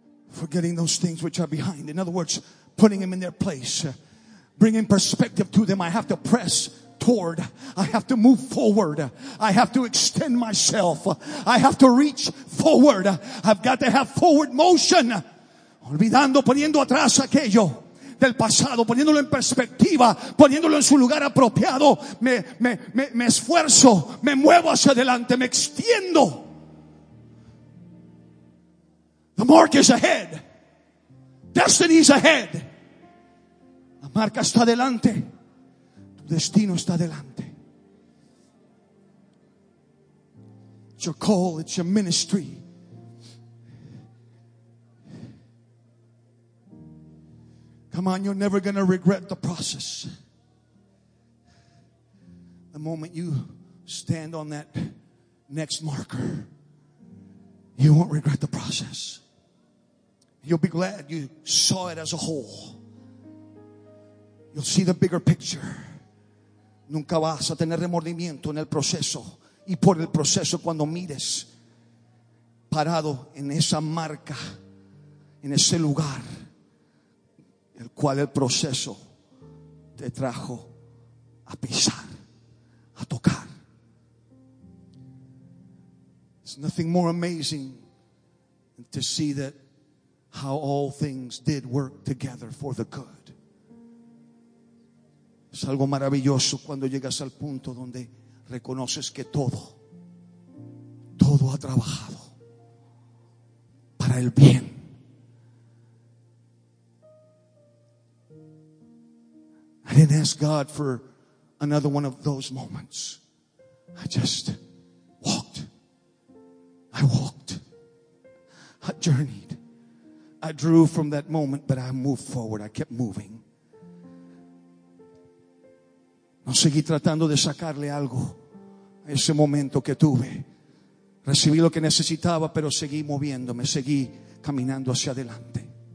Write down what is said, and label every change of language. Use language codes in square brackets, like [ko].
[en] Forgetting those things which are behind. In other words, putting them in their place. Bringing perspective to them. I have to press toward. I have to move forward. I have to extend myself. I have to reach forward. I've got to have forward motion. [es] Olvidando, poniendo atrás aquello del pasado. Poniéndolo en perspectiva. Poniéndolo en su lugar apropiado. Me esfuerzo. Me muevo hacia adelante. Me extiendo. [en] The mark is ahead. Destiny is ahead. [es] La marca está adelante. Tu destino está adelante. [en] It's your call. It's your ministry. Come on, you're never going to regret the process. The moment you stand on that next marker, you won't regret the process. You'll be glad you saw it as a whole. You'll see the bigger picture. [es] Nunca vas a tener remordimiento en el proceso. Y por el proceso, cuando mires parado en esa marca, en ese lugar, el cual el proceso te trajo a pisar, a tocar. [en] It's nothing more amazing than to see that how all things did work together for the good. [es] Es algo maravilloso cuando llegas al punto donde reconoces que todo ha trabajado para el bien. [en] I didn't ask God for another one of those moments. I just walked. I walked. I journeyed. I drew from that moment, but I moved forward. I kept moving. [es] No seguí tratando de sacarle algo a ese momento que tuve. Recibí lo que necesitaba, pero seguí moviéndome, seguí caminando hacia adelante.